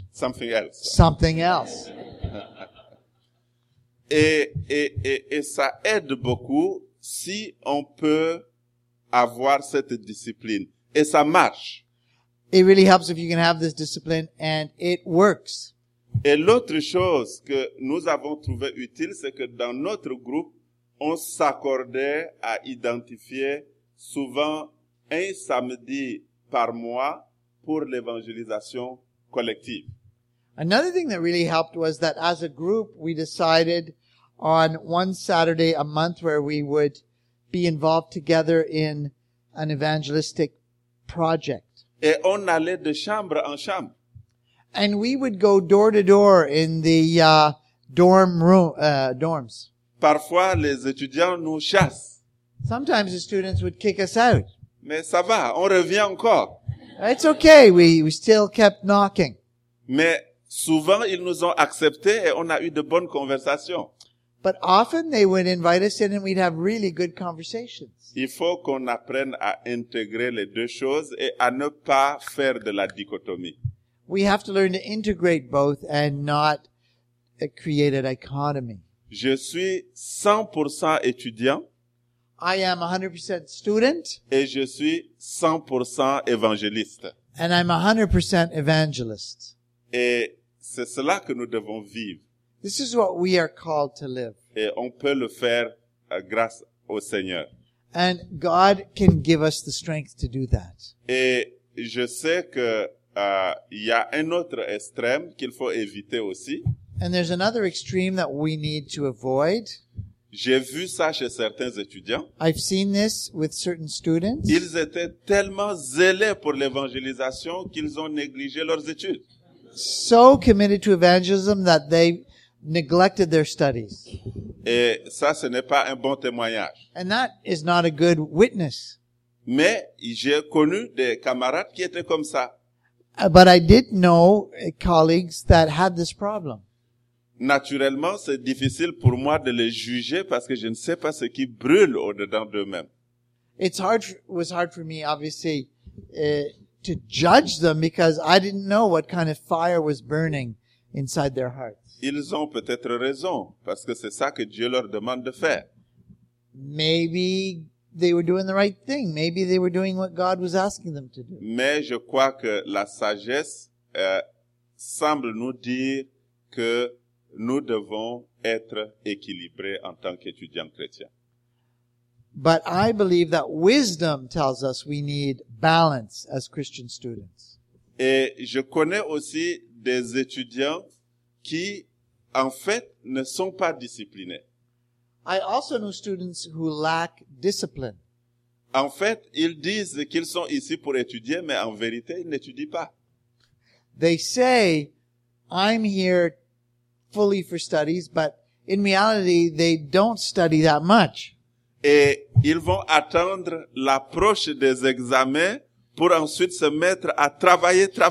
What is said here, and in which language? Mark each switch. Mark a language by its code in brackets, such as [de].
[en] something else. Something else. [fr] Et ça aide beaucoup si on peut avoir cette discipline. Et ça marche. [en] It really helps if you can have this discipline and it works. [fr] Et l'autre chose que nous avons trouvé utile, c'est que dans notre groupe, on s'accordait à identifier souvent un samedi par mois pour l'évangélisation collective. [en] Another thing that really helped was that as a group, we decided on one Saturday a month where we would be involved together in an evangelistic project. [fr] Et on allait de chambre en chambre. [en] And we would go door to door in the dorms. [fr] Parfois, les étudiants nous chassent. [en] Sometimes the students would kick us out. [fr] Mais ça va, on revient encore. [en] It's okay, we still kept knocking. [fr] Mais souvent, ils nous ont accepté et on a eu de bonnes conversations. [en] But often they would invite us in and we'd have really good conversations. [fr] Il faut qu'on apprenne à intégrer les deux choses et à ne pas faire de la dichotomie. [en] We have to learn to integrate both and not create a dichotomy. [fr] Je suis 100% étudiant. [en] I am 100% student. [fr] Et je suis 100% évangéliste. [en] And I'm 100% evangelist. [fr] Et c'est cela que nous devons vivre. [en] This is what we are called to live. [fr] Et on peut le faire grâce au Seigneur. [en] And God can give us the strength to do that. [fr] Et je sais que il y a un autre extrême qu'il faut éviter aussi. [en] And there's another extreme that we need to avoid. [fr] J'ai vu ça chez certains étudiants. [en] I've seen this with certain students. [fr] Ils étaient tellement zélés pour l'évangélisation qu'ils ont négligé leurs études. [en] So committed to evangelism that they neglected their studies. [fr] Et ça, ce n'est pas un bon témoignage. [en] And that is not a good witness. [fr] Mais j'ai connu des camarades qui étaient comme ça. [en] But I did know colleagues that had this problem. [fr] Naturellement, c'est difficile pour moi de les juger parce que je ne sais pas ce qui brûle au-dedans d'eux-mêmes. [en] It was hard for me, obviously, to judge them because I didn't know what kind of fire was burning inside their hearts. [fr] Ils ont peut-être raison parce que c'est ça que Dieu leur demande de faire. [en] Maybe they were doing the right thing. Maybe they were doing what God was asking them to do. [fr] Mais je crois que la sagesse semble nous dire que nous devons être équilibrés en tant qu'étudiants chrétiens. [en] But I believe that wisdom tells us we need balance as Christian students. [fr] Et je connais aussi des étudiants qui, en fait, ne sont pas disciplinés. [en] I also know students who lack discipline. [fr] En fait, ils disent qu'ils sont ici pour étudier, mais en vérité, ils n'étudient pas. [en] They say, I'm here fully for studies, but in reality, they don't study that much. [fr] Et ils vont attendre l'approche des examens pour ensuite se mettre à travailler.